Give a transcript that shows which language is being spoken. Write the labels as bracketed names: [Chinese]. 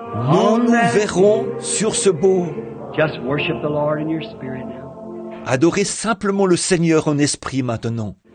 [French] nous nous verrons sur ce beau. [English] Just worship the Lord in your spirit now. [French] Adorez simplement le Seigneur en esprit maintenant.